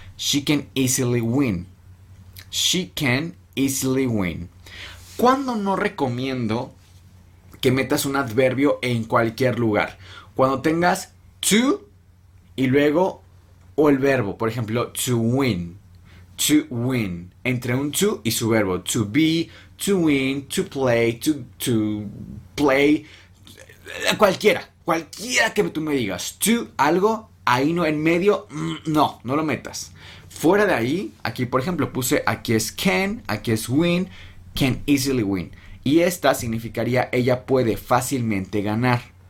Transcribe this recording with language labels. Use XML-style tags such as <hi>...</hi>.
<en>She can easily win. She can easily win.</en> <es>¿Cuándo no recomiendo que metas un adverbio en cualquier lugar? Cuando tengas to y luego o el verbo, por ejemplo, to win. To win. Entre un to y su verbo.</es> <en>To be, to win, to play, to play.</en> <es>Cualquiera. Cualquiera que tú me digas. To algo, ahí no, en medio, no, no lo metas. Fuera de ahí, aquí por ejemplo puse, aquí es can, aquí es win,</es> <en>can easily win.</en> <es>Y esta significaría, ella puede fácilmente ganar.</es>